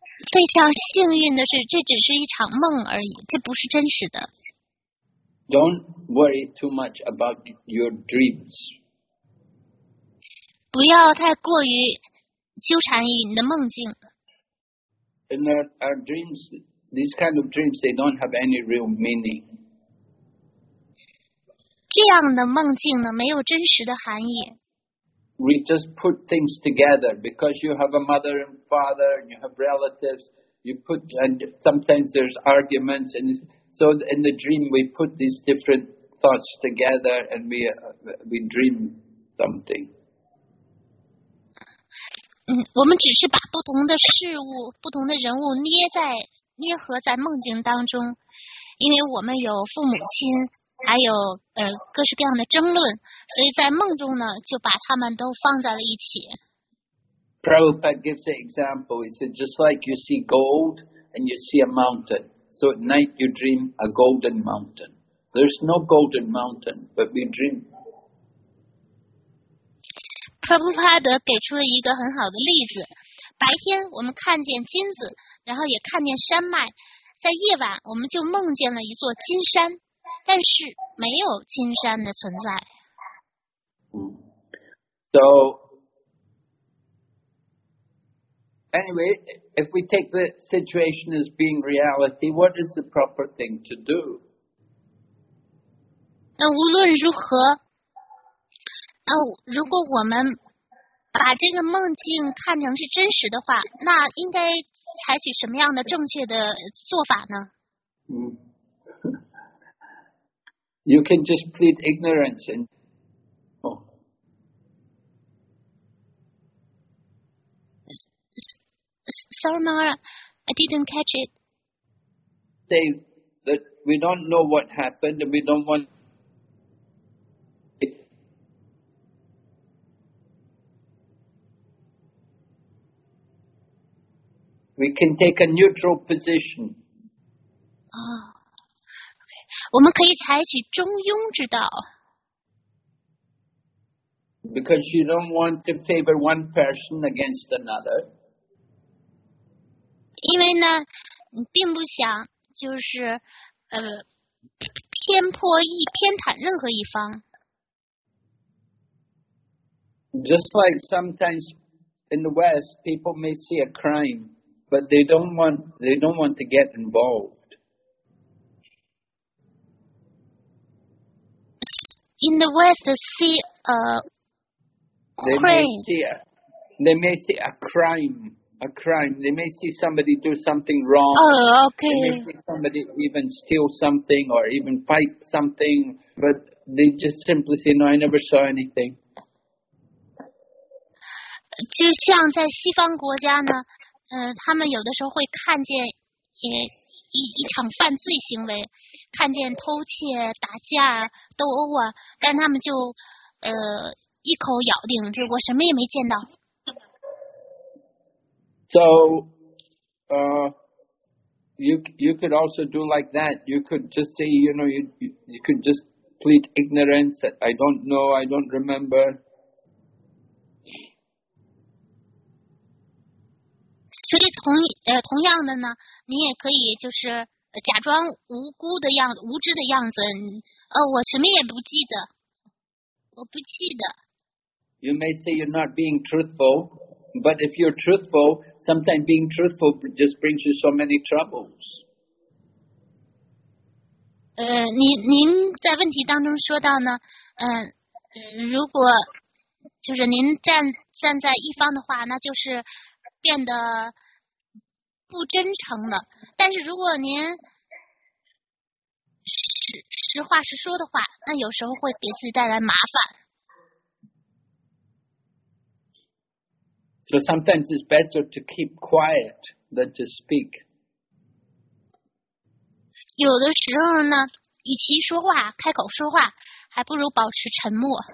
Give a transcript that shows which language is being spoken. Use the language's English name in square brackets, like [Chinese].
[Chinese] 非常幸运的是，这只是一场梦而已，这不是真实的。 [English] Don't worry too much about your dreams. [Chinese] 不要太过于纠缠于你的梦境。 [English] And our dreams, these kind of dreams, they don't have any real meaning. [Chinese] 这样的梦境呢，没有真实的含义。 [English] We just put things together because you have a mother and father, and you have relatives. You put, and sometimes there's arguments, and so in the dream we put these different thoughts together, and we dream something. [Chinese] 我们只是把不同的事物、不同的人物捏合在梦境当中，因为我们有父母亲，还有各式各样的争论，所以在梦中呢，就把他们都放在了一起。 [English] Prabhupada gives an example. He said, just like you see gold and you see a mountain, so at night you dream a golden mountain. There's no golden mountain, but we dream. [Chinese] Prabhupada 给出了一个很好的例子。白天我们看见金子，然后也看见山脉，在夜晚我们就梦见了一座金山，但是没有金山的存在。 [English] So, anyway, if we take the situation as being reality, what is the proper thing to do? [Chinese] 那无论如何，那如果我们把这个梦境看成是真实的话，那应该采取什么样的正确的做法呢？ [English] You can just plead ignorance and Sorry, Mara, I didn't catch it. Say that we don't know what happened and we don't want it. We can take a neutral position. Okay. [Chinese] 我们可以采取中庸之道。 [English] Because you don't want to favor one person against another. [Chinese] 因为呢，你并不想就是偏颇一偏袒任何一方。 [English] Just like sometimes in the West, people may see a crime, but they don't want to get involved. In the West, see a crime. They may see a crime. They may see somebody do something wrong. Oh, okay. They may see somebody even steal something or even fight something, but they just simply say, no, I never saw anything. [Chinese] 就像在西方国家呢，他们有的时候会看见一场犯罪行为，看见偷窃、打架、斗殴啊，但他们就一口咬定，就是我什么也没见到。 [English] So, you could also do like that. You could just say, you know, you could just plead ignorance. That I don't know. I don't remember. [Chinese] 所以同样的呢，你也可以就是假装无辜的样子，无知的样子。我什么也不记得，我不记得。 [English] You may say you're not being truthful, but if you're truthful. Sometimes being truthful just brings you so many troubles. [Chinese] 您在问题当中说到呢，如果就是您站在一方的话，那就是变得不真诚了。但是如果您实话实说的话，那有时候会给自己带来麻烦。 [English] So sometimes it's better to keep quiet than to speak. [Chinese] 有的时候呢，与其说话，开口说话，还不如保持沉默。